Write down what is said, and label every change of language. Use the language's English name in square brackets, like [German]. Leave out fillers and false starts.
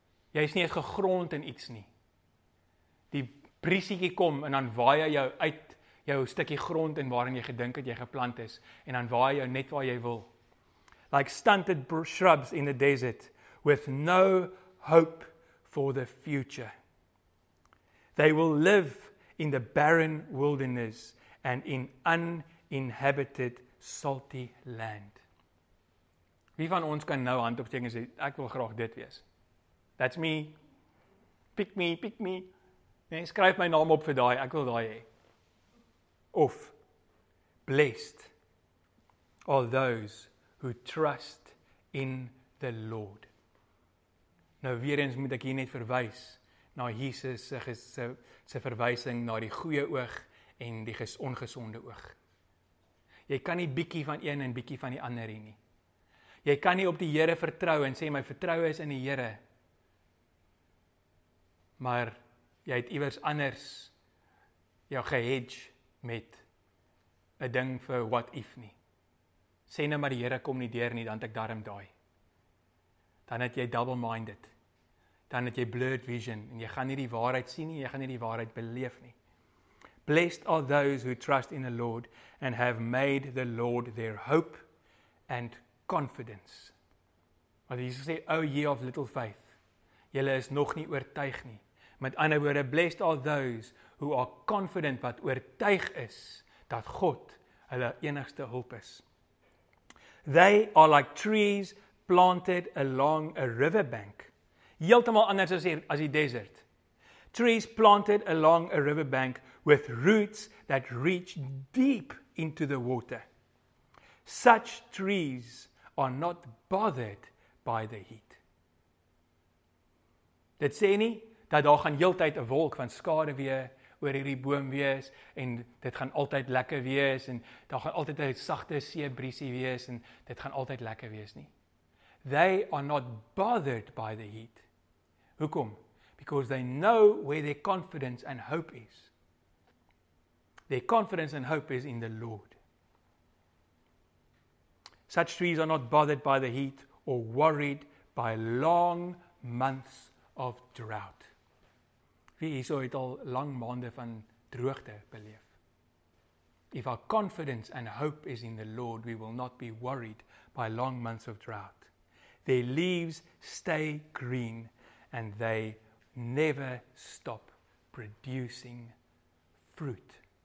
[Afrikaans] Jy is nie eens gegrond in iets nie. Die briesietjie kom en dan waai hy jou uit jou stukkie grond en waarin jy gedink het jy geplant is en dan waai hy jou net waar jy wil. [English] Like stunted shrubs in the desert with no hope for the future. They will live in the barren wilderness and in uninhabited salty land. [Afrikaans] Wie van ons kan nou hand opsteek en sê, ek wil graag dit wees? [English] That's me. Pick me, pick me. [Afrikaans] Nee, skryf my naam op vir daai, ek wil daai hê. [English] Of, blessed are those who trust in the Lord. [Afrikaans] Nou weer eens moet ek hier net verwys na Jesus se verwysing na die goeie oog en die ongesonde oog. Jy kan nie bietjie van een en bietjie van die ander hê nie. Jy kan nie op die Here vertrou en sê my vertroue is in die Here. Maar jy het iewers anders jou gehedge met 'n ding vir [English] what if [Afrikaans] nie. Sê nou maar die Here kom nie deur nie, dan het ek daarom daai. Dan het jy double minded. Dan het jy blurred vision en jy gaan nie die waarheid sien nie, jy gaan nie die waarheid beleef nie. [English] Blessed are those who trust in the Lord and have made the Lord their hope and confidence. [Afrikaans] Maar Jesus sê, [English] O ye of little faith, [Afrikaans] julle is nog nie oortuig nie. Met ander woorde, [English] blessed are those who are confident [Afrikaans] wat oortuig is dat God hulle enigste hulp is. [English] They are like trees planted along a riverbank. [Afrikaans] Heeltemal anders as die desert. [English] Trees planted along a riverbank with roots that reach deep into the water. Such trees are not bothered by the heat. [Afrikaans] Dit sê nie dat daar gaan heeltyd 'n wolk van skade weer oor hierdie boom wees en dit gaan altyd lekker wees en daar gaan altyd 'n sagte seebriesie wees en dit gaan altyd lekker wees nie. [English] They are not bothered by the heat. [Afrikaans] Hoekom? [English] Because they know where their confidence and hope is. Their confidence and hope is in the Lord. Such trees are not bothered by the heat or worried by long months of drought. [Afrikaans] Wie hierso het al lang maande van droogte beleef? [English] If our confidence and hope is in the Lord, we will not be worried by long months of drought. Their leaves stay green and they never stop producing fruit.